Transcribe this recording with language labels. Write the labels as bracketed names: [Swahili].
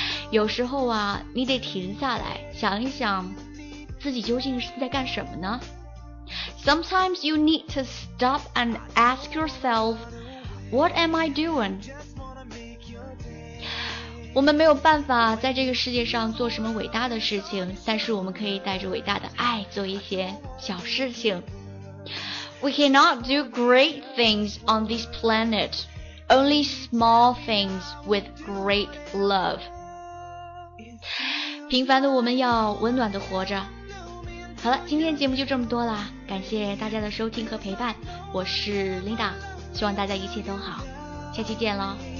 [Chinese] 有时候啊，你得停下来，想一想，自己究竟是在干什么呢？ [English] Sometimes you need to stop and ask yourself,What am I doing? [Chinese] 我们没有办法在这个世界上做什么伟大的事情，但是我们可以带着伟大的爱做一些小事情。 [English] We cannot do great things on this planet, only small things with great love. [Chinese] 平凡的我们要温暖地活着。好了，今天节目就这么多了，感谢大家的收听和陪伴，我是 Linda。希望大家一切都好，下期见喽。